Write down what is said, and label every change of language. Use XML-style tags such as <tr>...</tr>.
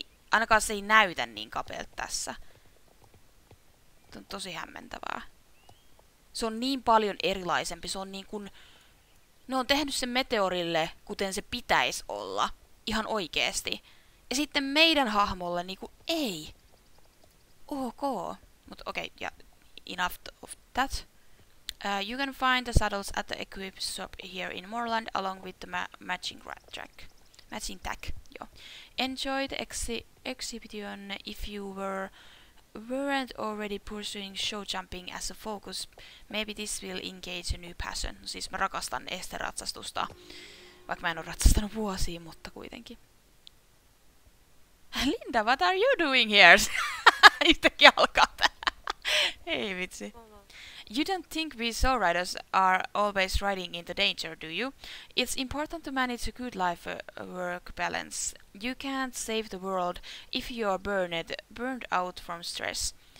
<fi>Ainakaan se ei näytä niin kapealta tässä. Tää on tosi hämmentävää. Se on niin paljon erilaisempi, se on niin kuin... Ne on tehnyt sen meteorille, kuten se pitäisi olla. Ihan oikeesti. Ja sitten meidän hahmolle niin kuin ei.</fi> <en>Ok.</en> <fi>Mut okei,</fi> <en>okay, yeah. Enough of that. You can find the saddles at the equip shop here in Moorland along with the matching track. Matching tack, joo. Enjoy the exhibition if you weren't already pursuing show jumping as a focus, maybe this will engage a new passion.</en> <fi>No siis mä rakastan esteratsastusta, vaikka mä en oo ratsastanut vuosia, mutta kuitenkin.</fi> <en>Linda, what are you doing here?</en> <fi>Yhtäkkiä alkaa tää. Ei vitsi.</fi> <en>You don't think we show riders are always riding into danger, do you? It's important to manage a good life-work balance. You can't save the world if you're burned out from stress.</en>